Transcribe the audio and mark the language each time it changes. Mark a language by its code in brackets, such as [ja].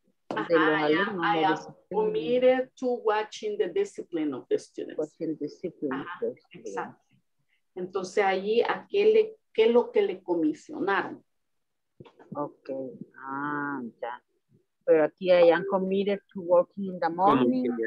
[en] I am committed to watching the discipline of the students. Watching discipline. Ajá, exactly. [es] Entonces allí, ¿a qué le, qué es lo que le comisionaron? Okay. Ah, ya. Pero aquí [en] I am committed to working in the morning.